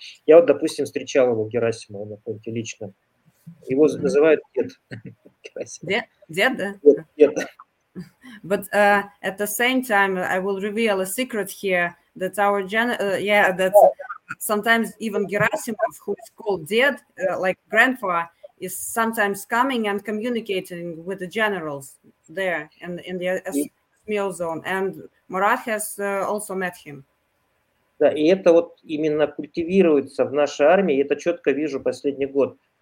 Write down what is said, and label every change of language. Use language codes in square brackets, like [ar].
[ru] Я вот, допустим, встречал его, Герасимова, на фронте лично. Его называют дед. Дед, да? Дед. [en] But at the same time, I will reveal a secret here, that our that sometimes even Герасимов, who is called дед, like grandpa, is sometimes coming and communicating with the generals there in the SMO zone. And Murat has also met him. [ru] Да, и это вот именно культивируется в нашей армии, это четко вижу последний год.